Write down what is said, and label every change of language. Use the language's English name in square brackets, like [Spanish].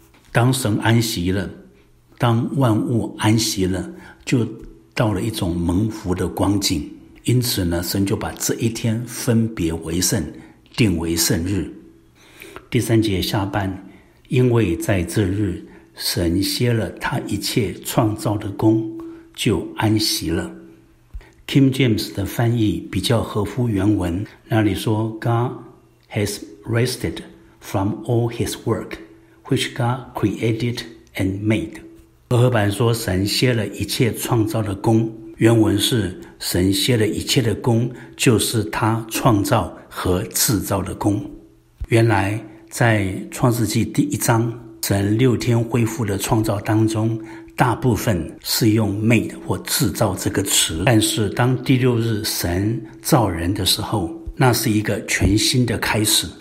[Chinese] 当神安息了，当万物安息了，就到了一种蒙福的光景。因此呢，神就把这一天分别为圣，定为圣日。第三节下半，因为在这日神歇了他一切创造的功，就安息了。 Kim James 的翻译比较合乎原文，那里说 [English] God has restedFrom all his work, which God created and made. [Chinese] 和合版说神歇了一切创造的功，原文是神歇了一切的功，就是他创造和制造的功。原来在创世纪第一章，神六天恢复的创造当中，大部分是用 made 或制造这个词，但是当第六日神造人的时候，那是一个全新的开始。